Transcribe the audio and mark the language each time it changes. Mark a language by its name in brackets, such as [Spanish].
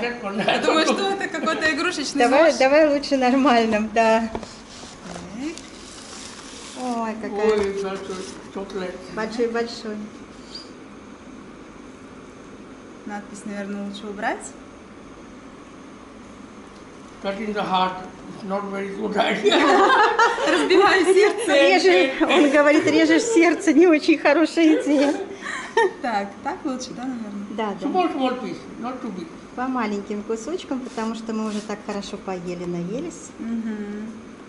[Russian] Я думаю, что это какой-то игрушечный давай, нож. Давай лучше нормальным, да. Ой, какая. Большой. Надпись, наверное, лучше убрать. [English] Cutting the heart is not very good idea. [Russian] Разбивай сердце. Он говорит, режешь сердце, не очень хорошая идея. Так лучше, да, наверное? Да, да. [English] Small piece, not too big. [Russian] По маленьким кусочкам, потому что мы уже так хорошо поели, наелись. Угу.